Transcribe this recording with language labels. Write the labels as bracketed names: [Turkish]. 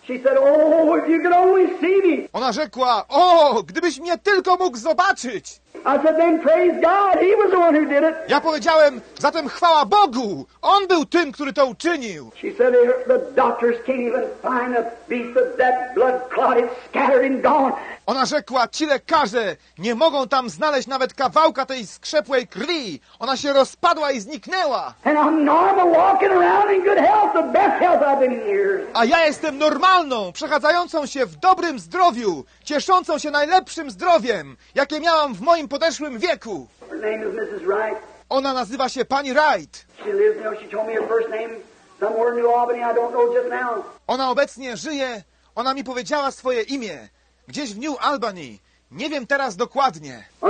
[English] She said, oh, if you could only see me. [Polish] Ona rzekła, o, gdybyś mnie tylko mógł zobaczyć. [English] I said, then praise God, he was the one who did it. [Polish] Ja powiedziałem, zatem chwała Bogu, on był tym, który to uczynił. [English] She said, the doctors can't even find a piece of that blood clot, it's scattered and gone. [Polish] Ona rzekła, ci lekarze nie mogą tam znaleźć nawet kawałka tej skrzepłej krwi. Ona się rozpadła i zniknęła. [English] And I'm normal, walking around in good health, the best health I've been in years. [Polish] A ja jestem normalną, przechadzającą się w dobrym zdrowiu, cieszącą się najlepszym zdrowiem, jakie miałam w moim podeszłym wieku. [English] Her name is Mrs. Wright. [Polish] Ona nazywa się pani Wright. [English] She lives now, she told me her first name somewhere in New Albany, I don't know just now. [Polish] Ona obecnie żyje, ona mi powiedziała swoje imię. Gdzieś w New Albany. Nie wiem teraz dokładnie.